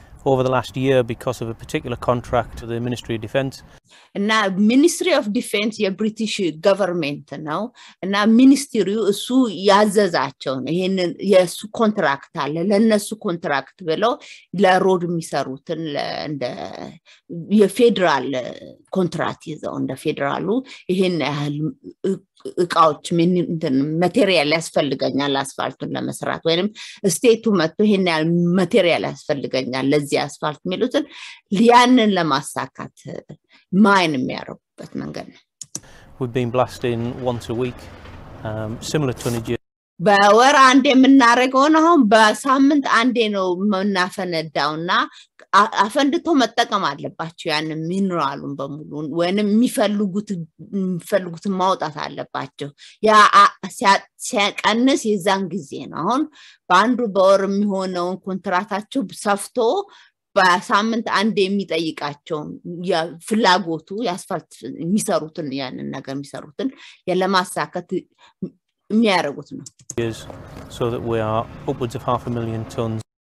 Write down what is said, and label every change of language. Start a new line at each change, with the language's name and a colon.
English: Over the last year because of a particular contract to the Ministry of Defence.
Amharic: እና Ministry of Defence የ British government ነው እና ሚኒስትሪው እሱ ያዘዛቸው ይሄን የሱ ኮንትራክት አለ ለነሱ ኮንትራክት ብለው ለሮድ የሚሰሩትን እንደ የፌደራል ኮንትራክት ይዘው እንደ ፌደራሉ ይሄን ያህል እቃዎች ምን ማቴሪያል ያስፈልገኛል አስፋልቱን ለመስራት ወይንም ስቴቱ መጥቶ ይሄን ያህል ማቴሪያል ያስፈልገኛል ለዚህ አስፋልት ሚሉትን ሊያንን ለማሳካት ማይን የሚያረጉበት መንገድ ነው።
English: We've been blasting once a week similar tonnage.
Amharic: በወር አንዴ የምናረገው አሁን በሳምንት አንዴ ነው የምናፈነዳውና አፈንድቶ መጠቀም አለባቸው ያን ሚነራሉን በሙሉ ወይንም የሚፈልጉት ማውጣት አለባቸው። ያ ሲያቀንስ የዛን ጊዜ ነው አሁን በአንዱ በወር የሚሆነው ኮንትራክታቸው ሰፍቶ በሳምንት አንዴ የሚጠይቃቸው ፍላጎቱ ያስፋልት የሚሰሩትን ያን ነገር የሚሰሩትን ለማሳካት የሚያረጉት ነው።
English: So that we are upwards of 500,000 tons.